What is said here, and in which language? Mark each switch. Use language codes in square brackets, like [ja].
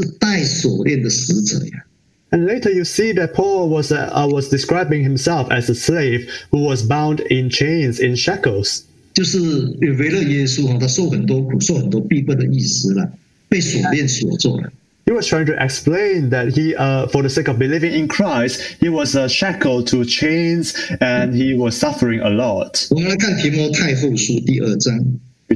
[zh] 后来保罗他自己讲，他是一个带锁链的使者，他就是除了死，自从信了主耶稣，他就是好像被锁链锁住了，是带锁链的使者呀。 [en] And later you see that Paul was describing himself as a slave who was bound in chains, in shackles. [zh] 就是为了耶稣，他受很多苦、受很多逼迫的意思了，被锁链锁住了。 [en] He was trying to explain that he, for the sake of believing in Christ, he was shackled to chains and he was suffering a lot. [zh] 我们来看提摩太后书第二章。 [en] We